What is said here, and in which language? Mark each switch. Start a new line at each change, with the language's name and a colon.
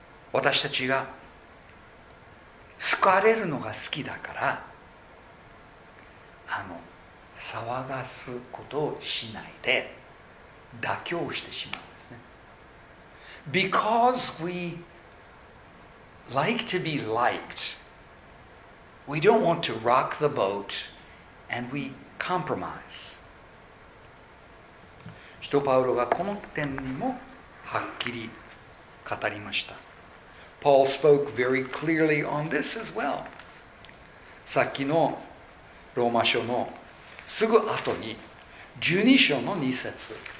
Japanese: 私たちが好かれるのが好きだから、騒がすことをしないで妥協してしまうんですね。
English: Because we like to be liked, we don't want to rock the boat and we compromise.
Japanese: 使徒パウロがこの点にもはっきり語りました。
English: Paul spoke very clearly on this as well.
Japanese: さっきのローマ書のすぐ後に12章の2節、